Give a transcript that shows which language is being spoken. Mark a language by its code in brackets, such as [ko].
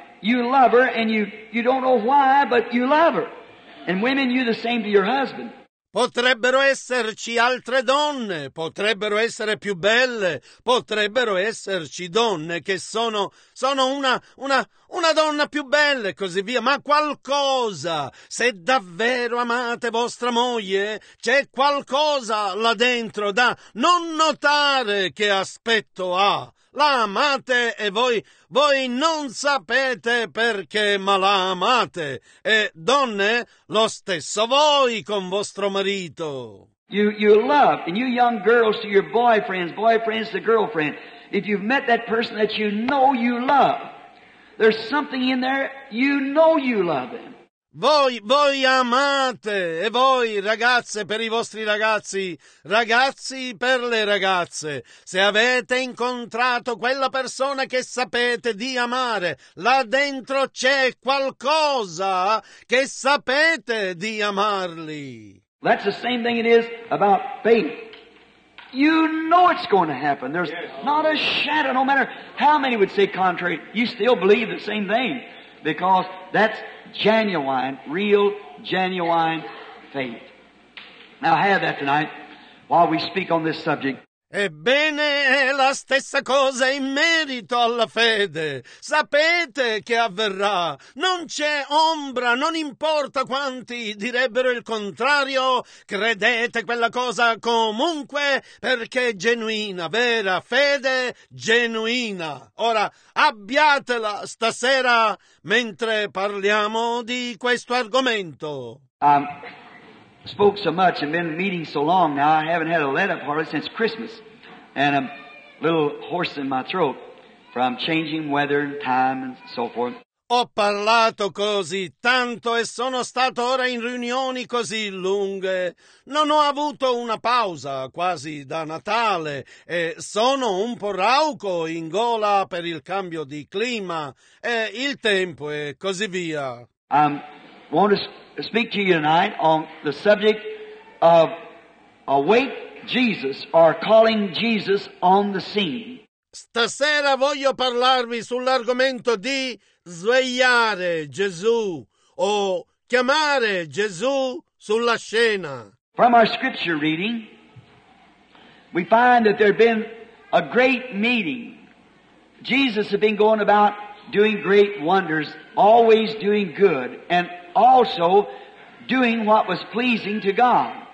[en] You love her and you don't know why, but you love her. And women, you the same to your husband. [it] Potrebbero esserci altre donne, potrebbero essere più belle, potrebbero esserci donne che sono una donna più bella e così via, ma qualcosa, se davvero amate vostra moglie, c'è qualcosa là dentro da non notare che aspetto ha. La amate e voi non sapete perché, ma la amate. E donne, lo stesso voi con vostro marito. [en] You love, and you young girls to your boyfriends to girlfriend. If you've met that person that you know you love, there's something in there, you know you love them. [it] Voi amate, e voi ragazze per i vostri ragazzi, ragazzi per le ragazze, se avete incontrato quella persona che sapete di amare, là dentro c'è qualcosa che sapete di amarli. [en] That's the same thing it is about faith. You know it's going to happen. There's not a shadow, no matter how many would say contrary, you still believe the same thing, because that's genuine, real, genuine faith. Now have that tonight while we speak on this subject. [it] Ebbene, è la stessa cosa in merito alla fede. Sapete che avverrà. Non c'è ombra, non importa quanti direbbero il contrario. Credete quella cosa comunque, perché è genuina, vera fede, genuina. Ora, abbiatela stasera mentre parliamo di questo argomento. [en] Spoke so much and been meeting so long now, I haven't had a let up hardly since Christmas. And a little horse in my throat from changing weather and time and so forth. [it] Ho parlato così tanto e sono stato ora in riunioni così lunghe. Non ho avuto una pausa quasi da Natale e sono un po' rauco in gola per il cambio di clima e il tempo e così via. [en] Want to speak to you tonight on the subject of awake Jesus, or calling Jesus on the scene. [it] Stasera voglio parlarvi sull'argomento di svegliare Gesù o chiamare Gesù sulla scena. [en] From our scripture reading, we find that there had been a great meeting Jesus had been going about doing great wonders, always doing good, and also doing what was pleasing to God.